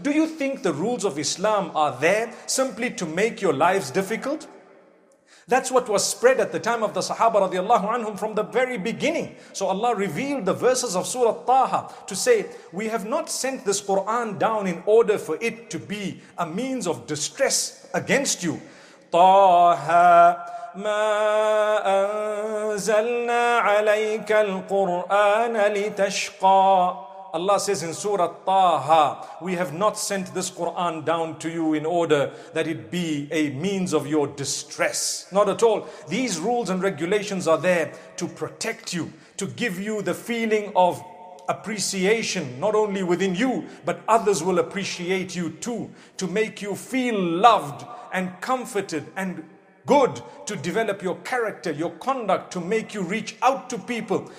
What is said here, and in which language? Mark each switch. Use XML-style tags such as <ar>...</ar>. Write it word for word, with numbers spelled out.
<en>Do you think the rules of Islam are there simply to make your lives difficult? That's what was spread at the time of the Sahaba radiallahu anhum from the very beginning. So Allah revealed the verses of Surah Taha to say, we have not sent this Quran down in order for it to be a means of distress against you.</en> <ar>Taha, ما أنزلنا عليك القرآن لتشقى.</ar> <en>Allah says in Surah Taha, we have not sent this Quran down to you in order that it be a means of your distress. Not at all. These rules and regulations are there to protect you, to give you the feeling of appreciation, not only within you, but others will appreciate you too, to make you feel loved and comforted and good, to develop your character, your conduct, to make you reach out to people.</en>